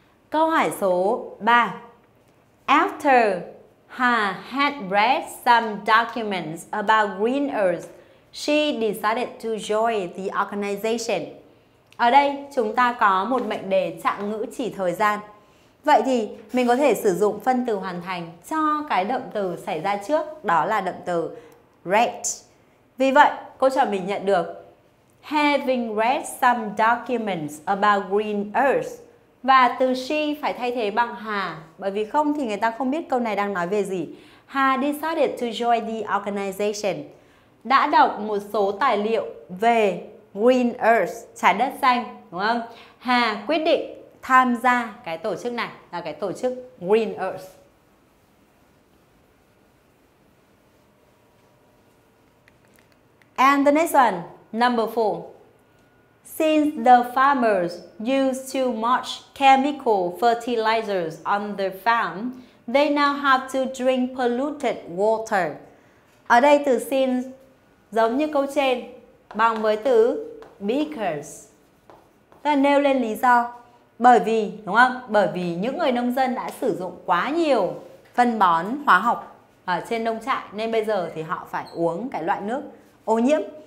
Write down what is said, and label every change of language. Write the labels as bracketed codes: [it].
[vi] Câu hỏi số 3: [en] After Ha had read some documents about Green Earth, she decided to join the organization. [vi] Ở đây chúng ta có một mệnh đề trạng ngữ chỉ thời gian. Vậy thì mình có thể sử dụng phân từ hoàn thành cho cái động từ xảy ra trước, đó là động từ read. Vì vậy, cô trò mình nhận được [en] having read some documents about green earth, [vi] và từ she phải thay thế bằng Hà, bởi vì không thì người ta không biết câu này đang nói về gì. [en] Hà decided to join the organization. [vi] Đã đọc một số tài liệu về green earth, trái đất xanh, đúng không? Hà quyết định tham gia cái tổ chức này, là cái tổ chức Green Earth. [en] And the next one, number 4. Since the farmers used too much chemical fertilizers on their farm, they now have to drink polluted water. [vi] Ở đây từ [en] since [vi] giống như câu trên, bằng với từ because. Ta nêu lên lý do. Bởi vì, đúng không? Bởi vì những người nông dân đã sử dụng quá nhiều phân bón hóa học ở trên nông trại, nên bây giờ thì họ phải uống cái loại nước ô nhiễm.